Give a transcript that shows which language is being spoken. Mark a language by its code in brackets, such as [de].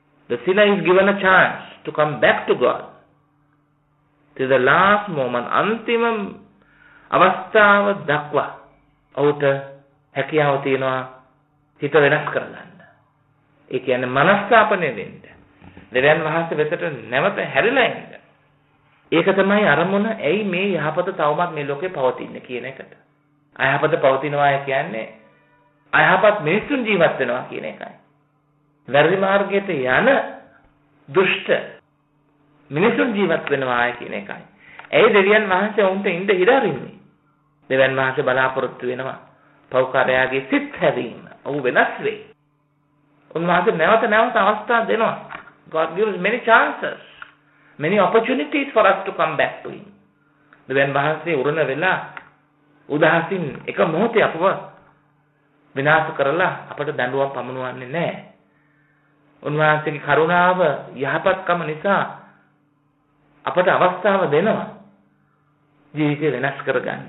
[en] The sinner is given a chance to come back to God to the last moment. [si] Antimam අවස්ථාව දක්වා ඔහුට හැකියාව තියෙනවා හිත වෙනස් කරගන්න. ඒ කියන්නේ මනස්ථාපනය වෙන්න. දෙවියන් වහන්සේ වෙතට නැවත හැරිලා එන්න. ඒක තමයි අරමුණ. ඇයි මේ යහපත තවමත් මේ ලෝකේ පවතින්නේ කියන එකට. අයහපත පවතිනවා කියන්නේ අයහපත් මිනිසුන් ජීවත් වෙනවා කියන එකයි. වැරදි මාර්ගයට යන දුෂ්ට මිනිසුන් ජීවත් වෙනවා කියන එකයි. ඇයි දෙවියන් වහන්සේ උන්ට ඉඳ හිරරින්නේ? දෙවියන් වහන්සේ බලාපොරොත්තු වෙනවා පෞකාරයාගේ සිත් හැදීම. ਉਹ වෙනස් වෙයි. උන්වහන්සේ නැවත නැවත අවස්ථා දෙනවා. [en] God gives many chances, many opportunities for us to come back to Him. [si] දෙවියන් වහන්සේ උරණ වෙලා උදාසින් එක මොහොතේ අපව විනාශ කරලා අපට දඬුවම් පමුණුවන්නේ නැහැ. උන්වහන්සේගේ කරුණාව යහපත්කම නිසා අපට අවස්ථාව දෙනවා ජීවිතය වෙනස් කරගන්න.